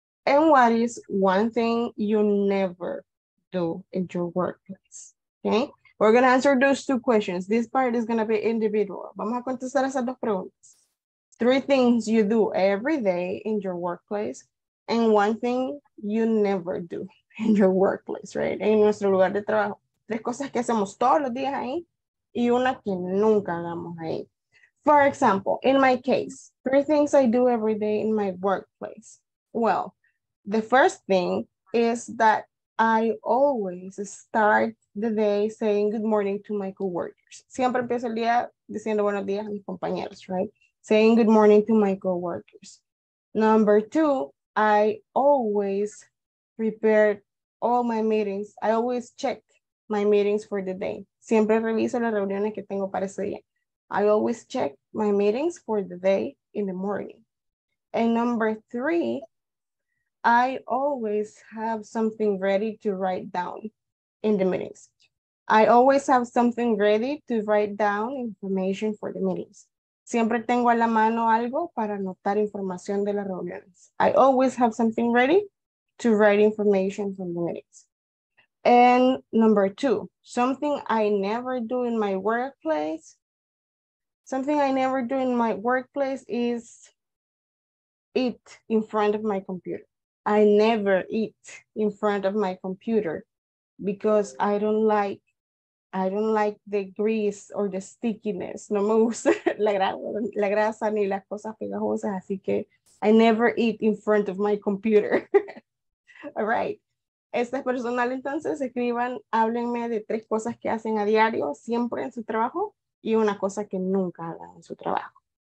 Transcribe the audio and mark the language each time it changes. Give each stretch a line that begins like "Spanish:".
English: And what is one thing you never do in your workplace? Okay, we're gonna answer those two questions. This part is gonna be individual.
Spanish: Vamos a contestar esas dos preguntas.
English: Three things you do every day in your workplace, and one thing you never do in your workplace, right?
Spanish: En nuestro lugar de trabajo. Tres cosas que hacemos todos los días ahí, y una que nunca hagamos ahí.
English: For example, in my case, three things I do every day in my workplace. Well, the first thing is that I always start the day saying good morning to my coworkers.
Spanish: Siempre empiezo el día diciendo buenos días a mis compañeros, right?
English: Saying good morning to my coworkers. Number two, I always prepare all my meetings. I always check my meetings for the day.
Spanish: Siempre reviso las reuniones que tengo para ese día.
English: I always check my meetings for the day in the morning. And number three, I always have something ready to write down in the meetings. I always have something ready to write down information for the meetings.
Spanish: Siempre tengo a la mano algo para anotar información de las reuniones.
English: I always have something ready to write information from the meetings. And number two, something I never do in my workplace. Something I never do in my workplace is eat in front of my computer. I never eat in front of my computer because I don't like the grease or the stickiness.
Spanish: No me gusta la grasa ni las cosas pegajosas, así que
English: I never eat in front of my computer. All right.
Spanish: Este es personal, entonces, escriban, háblenme de tres cosas que hacen a diario, siempre en su trabajo, y una cosa que nunca hagan en su trabajo.